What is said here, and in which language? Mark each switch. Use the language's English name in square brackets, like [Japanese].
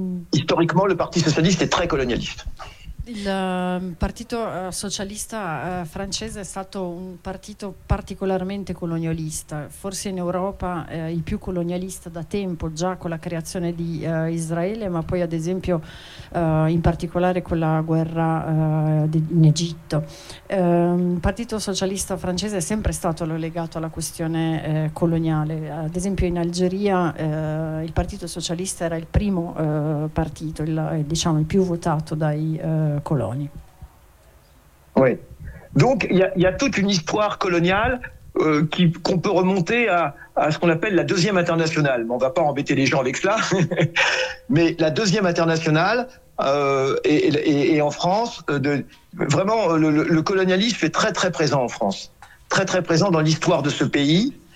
[French] historiquement, le Parti socialiste est très colonialiste. [Italian] Il Partito Socialista francese è stato un partito particolarmente colonialista, forse in Europa il più colonialista da tempo, già con la creazione di Israele, ma poi ad esempio in particolare con la guerra in Egitto. Il Partito Socialista francese è sempre stato legato alla questione coloniale, ad esempio in Algeria il Partito Socialista era il primo partito, diciamo il più votato dai colonie. [French] Oui. Donc il y a toute une histoire coloniale qu'on peut remonter à ce qu'on appelle la deuxième internationale. Mais on ne va pas embêter les gens avec cela. Mais la deuxième internationale est en France. Vraiment, le colonialisme est très très présent en France. Très très présent dans l'histoire de ce pays.